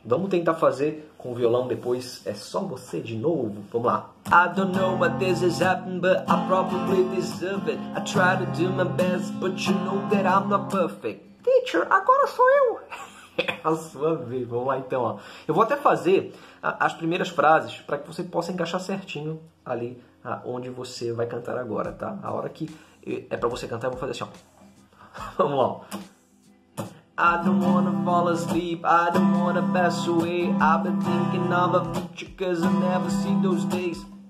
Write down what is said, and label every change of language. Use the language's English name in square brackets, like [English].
[Portuguese] Vamos tentar fazer com o violão depois. É só você de novo. Vamos lá. [English] I don't know what this has happened, but I probably deserve it. I try to do my best, but you know that I'm not perfect. [Portuguese] Teacher, agora sou eu. A sua vez. Vamos lá então. Ó. Eu vou até fazer as primeiras frases para que você possa encaixar certinho ali onde você vai cantar agora, tá? A hora que é para você cantar, eu vou fazer assim. Ó. Vamos lá. [English] I don't wanna fall asleep, I don't wanna pass away. I've been thinking of a future cause I never see those days.